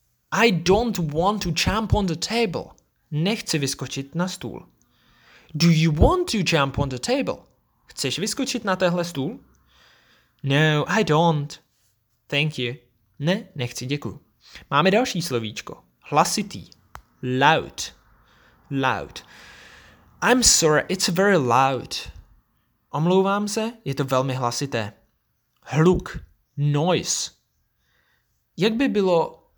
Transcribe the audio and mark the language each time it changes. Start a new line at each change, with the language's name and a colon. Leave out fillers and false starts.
English: I don't want to jump on the table.
Czech: Nechci vyskočit na stůl.
English: Do you want to jump on the table?
Czech: Chceš vyskočit na tenhle stůl?
English: No, I don't. Thank you.
Czech: Ne, nechci, děkuju. Máme další slovíčko. Hlasitý. Loud. Loud.
English: I'm sorry, it's very loud.
Czech: Omlouvám se, je to velmi hlasité. Hluk. Noise. Jak by bylo...